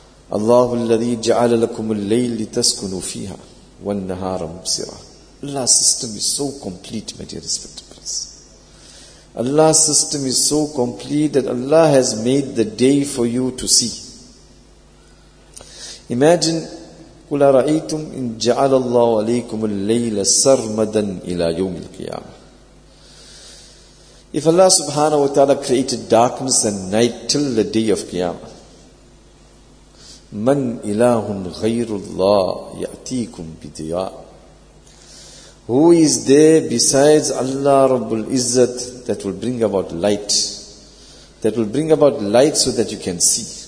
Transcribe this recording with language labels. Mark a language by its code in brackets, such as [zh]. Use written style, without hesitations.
[ar] اللَّهُ الَّذِي جَعَلَ لَكُمُ اللَّيْلِ لِتَسْكُنُوا فِيهَا وَالنَّهَارَ مُبْصِرًا. [en] Allah's system is so complete, my dear respected friends. Allah's system is so complete that Allah has made the day for you to see. [ar] Imagine, قُلَ رَأَيْتُمْ إِنْ جَعَلَ اللَّهُ عَلَيْكُمُ اللَّيْلَ سَرْمَدًا إِلَى يَوْمِ الْقِيَامَةِ. [en] If Allah subhanahu wa ta'ala created darkness and night till the day of Qiyamah, [ar] مَنْ إِلَهٌ غَيْرُ اللَّهِ يَأْتِيكُمْ بِدِيَاءٍ. [en] Who is there besides Allah Rabbul Izzat that will bring about light, that will bring about light so that you can see?